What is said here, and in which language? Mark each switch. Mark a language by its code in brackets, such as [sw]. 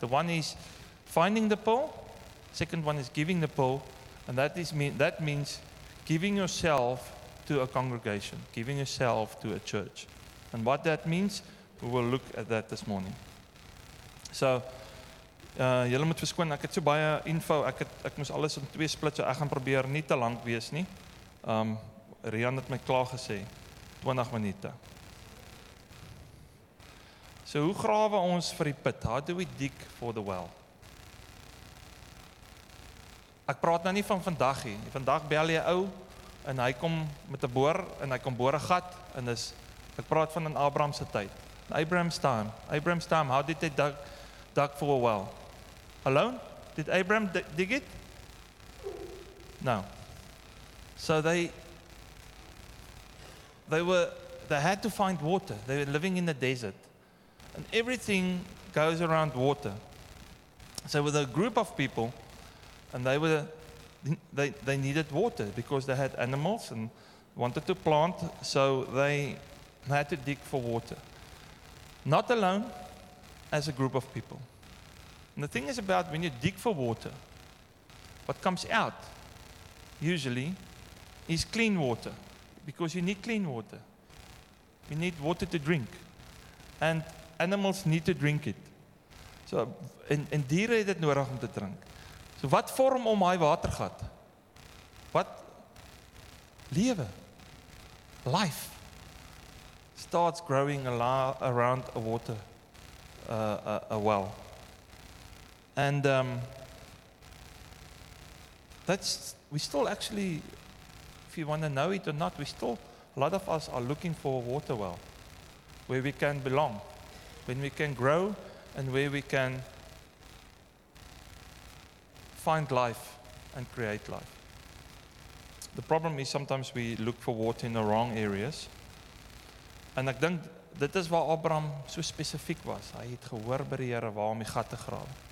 [en] The one is finding the pearl. Second one is giving the pearl, and that means giving yourself to a congregation, giving yourself to a church. And what that means, we will look at that this morning. [af] So, julle moet verskoon, ek het so baie info, ek moes alles in 2 split, so ek gaan probeer nie te lank wees nie. Rian het my klaar gesê, 20 minute. So, hoe grawe ons vir die put? [en] How do we dig for the well? [af] Ek praat nou nie van vandag nie. Vandag bel jy ou, en hy kom met 'n boor, en hy kom boor 'n gat, en is, ek praat van in Abraham se tyd. [en] Abraham's time, how did they dug for a well? Alone? Did Abraham dig it? No. So they had to find water. They were living in the desert. And everything goes around water. So with a group of people, and they needed water because they had animals and wanted to plant, so they had to dig for water. Not alone, as a group of people. And the thing is about when you dig for water, what comes out, usually, is clean water, because you need clean water. You need water to drink, and animals need to drink it. [af] So, en diere het dit nodig om te drink. So wat vorm om hy watergat? Wat? Lewe. [en] Life starts growing around a water, a well. And that's, we still actually, if you want to know it or not, we still, a lot of us are looking for a water well where we can belong, when we can grow, and where we can find life and create life. The problem is sometimes we look for water in the wrong areas. [af] En ek dink dit is waar Abraham so spesifiek was. Hy het gehoor by die Here waar om die gat te grawe.